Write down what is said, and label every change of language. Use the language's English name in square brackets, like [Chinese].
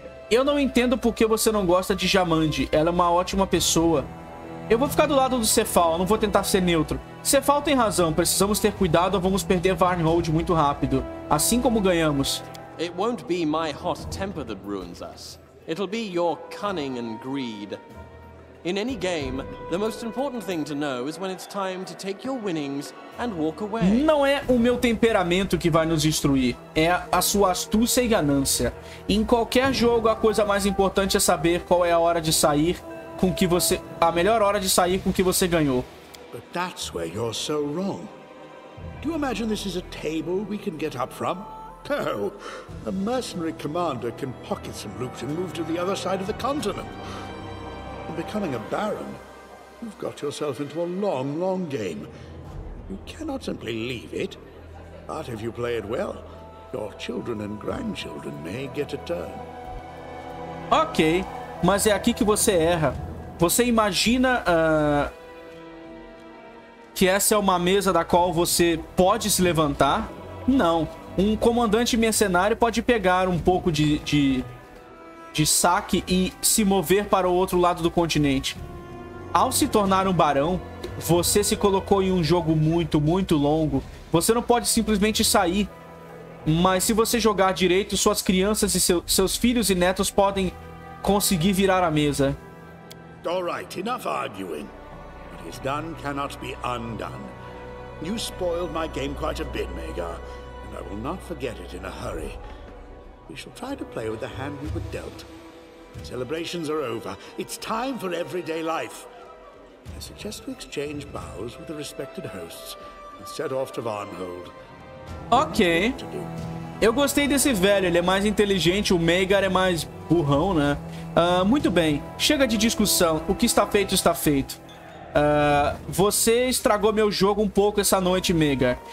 [Portuguese] Eu não entendo por que você não gosta de Jamandi. Ela é uma ótima pessoa. Eu vou ficar do lado do Cephal, não vou tentar ser neutro. Cephal tem razão, precisamos ter cuidado ou vamos perder Varnhold muito rápido. Assim como ganhamos. [English] It won't be my hot temper that ruins us. It'll be your cunning and greed. In any game, the most important thing to know is when it's time to take your winnings and walk away. [Portuguese] Não é o meu temperamento que vai nos destruir, é a sua astúcia e ganância. Em qualquer jogo, a coisa mais importante é saber qual é a hora de sair com que você, a melhor hora de sair com que você ganhou. [English] But that's where you're so wrong. Do you imagine this is a table we can get up from? No, a mercenary commander can pocket some loot and move to the other side of the continent. Becoming a baron, you've got yourself into a long, long game. You cannot simply leave it. But if you play it well, your children and grandchildren may get a turn. [Portuguese] Ok, mas é aqui que você erra. Você imagina que essa é uma mesa da qual você pode se levantar? Não. Um comandante mercenário pode pegar um pouco de saque e se mover para o outro lado do continente. Ao se tornar um barão, você se colocou em um jogo muito, muito longo. Você não pode simplesmente sair. Mas se você jogar direito, suas crianças e seus filhos e netos podem conseguir virar a mesa. [English] All right, enough arguing. What is done cannot be undone. You spoiled my game quite a bit, Magar, and I will not forget it in a hurry. We shall try to play with the hand we were dealt. Celebrations are over. It's time for everyday life. I suggest we exchange bows with the respected hosts and set off to Varnhold. [Portuguese] Ok. Eu gostei desse velho. Ele é mais inteligente. O Maegar é mais burrão, né? Muito bem. Chega de discussão. O que está feito, está feito. Você estragou meu jogo um pouco essa noite, Maegar.